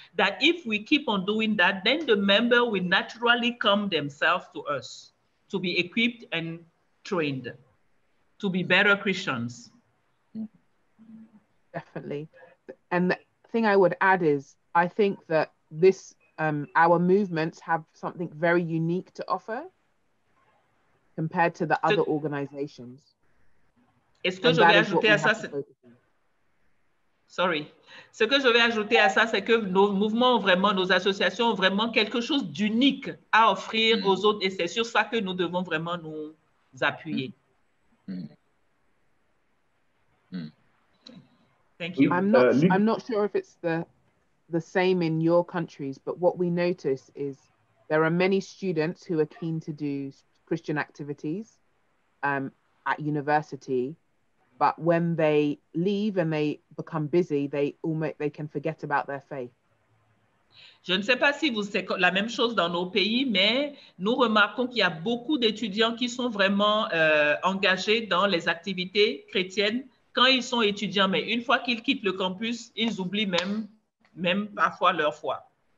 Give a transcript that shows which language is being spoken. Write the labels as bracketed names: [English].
[English] That if we keep on doing that, then the member will naturally come themselves to us to be equipped and trained, to be better Christians. Definitely. And the thing I would add is, I think that this, our movements have something very unique to offer compared to the other organizations. [French] Et ce que je vais ajouter à ça, ce que je vais ajouter à ça, c'est que nos mouvements, vraiment, nos associations ont vraiment quelque chose d'unique à offrir aux autres, et c'est sur ça que nous devons vraiment nous appuyer. [English] Thank you. I'm not sure if it's the same in your countries, but what we notice is there are many students who are keen to do Christian activities at university. But when they leave and they become busy, they can forget about their faith. [French] Je ne sais pas si c'est la même chose dans nos pays, mais nous remarquons qu'il y a beaucoup d'étudiants qui sont vraiment engagés dans les activités chrétiennes quand ils sont étudiants. Mais une fois qu'ils quittent le campus, ils oublient même parfois leur foi.